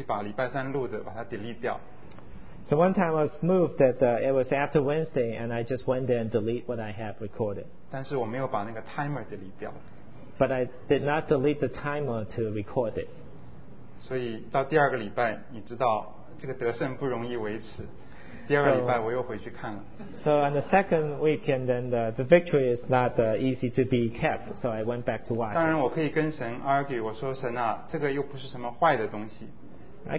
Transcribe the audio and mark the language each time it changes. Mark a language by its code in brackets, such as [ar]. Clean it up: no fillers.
[zh] 那有一次我心里面有点感动，我就去把那次是过了礼拜三，我就去把礼拜三录的把它delete掉。 [en] So one time I was moved that it was after Wednesday, and I just went there and delete what I have recorded. [zh] 但是我没有把那个 timer delete 掉。 [en] But I did not delete the timer to record it. [zh] 所以到第二个礼拜，你知道这个得胜不容易维持。第二个礼拜我又回去看了。So [en] on the second weekend, then the victory is not easy to be kept. So I went back to watch. [zh] 当然，我可以跟神 argue. 我说神啊，这个又不是什么坏的东西。I